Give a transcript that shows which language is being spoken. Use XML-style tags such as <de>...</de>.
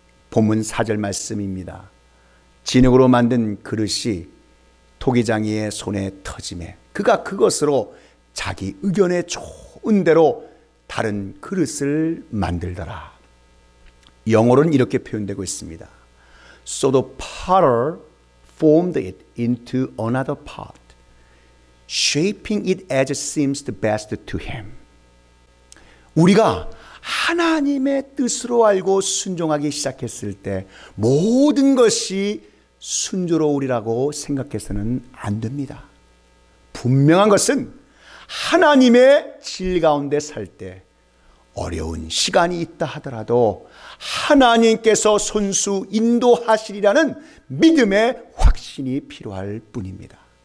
<ko>본문 4절 말씀입니다. 진흙으로 만든 그릇이 토기장이의 손에 터짐에 그가 그것으로 자기 의견에 좋은 대로 다른 그릇을 만들더라. 영어로는 이렇게 표현되고 있습니다.</ko> <en>So the potter formed it into another pot, shaping it as it seems the best to him.</en> <ko>우리가 하나님의 뜻으로 알고 순종하기 시작했을 때 모든 것이 순조로우리라고 생각해서는 안 됩니다. 분명한 것은 하나님의 질 가운데 살 때 어려운 시간이 있다 하더라도 하나님께서 손수 인도하시리라는 믿음의 확신이 필요할 뿐입니다.</ko>